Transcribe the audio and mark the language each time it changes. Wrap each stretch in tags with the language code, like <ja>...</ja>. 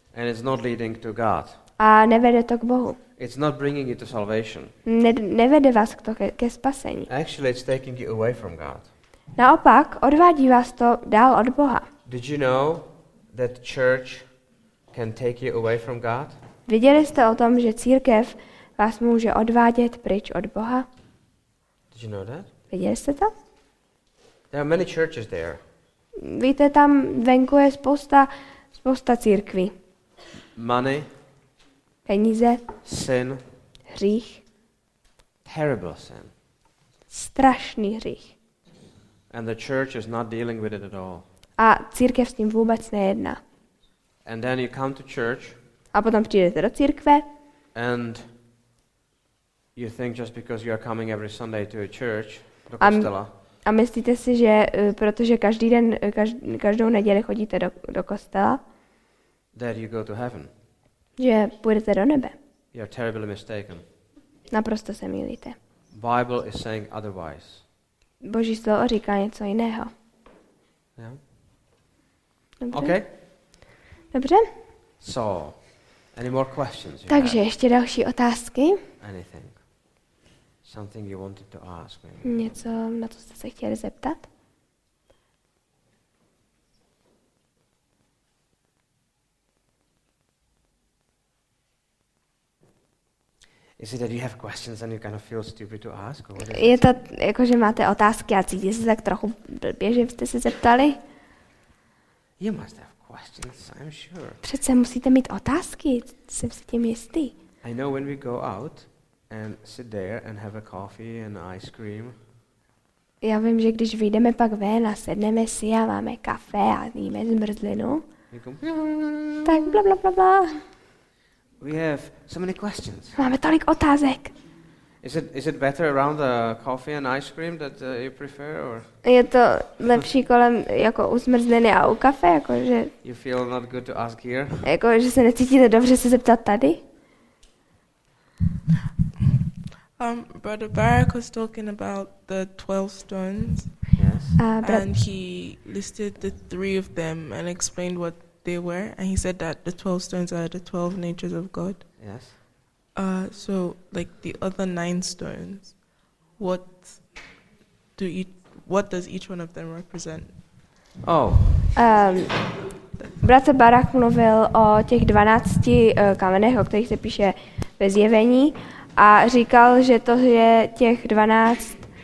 <en>And it's not leading to God.</en> <cs>A nevede to k Bohu.</cs> <en>It's not bringing you to salvation.</en> <cs>Nevede vás k to ke spasení.</cs> <en>Actually, it's taking you away from God.</en> <cs>Naopak, odvádí vás to dál od Boha.</cs> <en>Did you know that church can take you away from God?</en> <cs>Věděli jste o tom, že církev vás může odvádět pryč od Boha?</cs> <en>Did you know that?</en> <cs>Věděli jste to?</cs> <en>There are many churches there.</en> <cs>Víte, tam venku je spousta církví.</cs> <en>Money.</en> <cs>Peníze.</cs> <en>Sin.</en> <cs>Hřích.</cs> <en>Terrible sin.</en> <cs>Strašný hřích.</cs> <en>And the church is not dealing with it at all.</en> <cs>A církev s tím vůbec nejedná.</cs> <en>And then you come to church.</en> <cs>A potom přijdete do církve.</cs> <en>And you think just because you are coming every Sunday to a church,</en> <cs>do kostela. A myslíte si, že protože každou neděli chodíte do kostela,</cs> <en>that you go to heaven.</en> <cs>Že půjdete do nebe.</cs> <en>You are terribly mistaken.</en> <cs>Naprosto se mýlíte.</cs> <en>Bible is saying otherwise.</en> <cs>Boží slovo říká něco jiného.</cs> <en>Yeah.</en> <cs>Dobře.</cs> <en>Okay.</en> <cs>Dobře.</cs> <en>So, any more questions?</en> <cs>Takže ještě další otázky.</cs> <en>Anything. Something you wanted to ask maybe.</en> <cs>Něco, na co jste se chtěli zeptat?</cs> <en>Is it that you have questions and you kind of feel stupid to ask? Or what is it?</en> <cs>Je to jako, že máte otázky a cítíte se tak trochu blbě, že jste se zeptali?</cs> <en>You must have questions, I'm sure.</en> <cs>Přece musíte mít otázky, jsem si tím jistý.</cs> <en>I know when we go out and sit there and have a coffee and ice cream.</en> <cs>Já vím, že když vyjdeme pak ven a sedneme si a máme kafe a jíme zmrzlinu, tak bla bla bla bla.</cs> <en>We have so many questions.</en> <cs>Máme tolik otázek.</cs> <en>Is it better around the coffee and ice cream that you prefer, or?</en> <cs>Je to lepší kolem jako u zmrzliny a u kafe, jako že.</cs> <en>You feel not good to ask here.</en> <cs>Jako že se necítíte dobře se zeptat tady?</cs> <en>Brother Barak was talking about the 12 stones. Yes. And he listed the three of them and explained what they were, and he said that the 12 stones are the 12 natures of God. Yes. So, like the other 9 stones, what does each one of them represent? Oh.</en> <cs>Bratr Barak mluvil o těch 12 kamenech, o kterých se píše ve Zjevení, a říkal, že to je těch 12.</cs>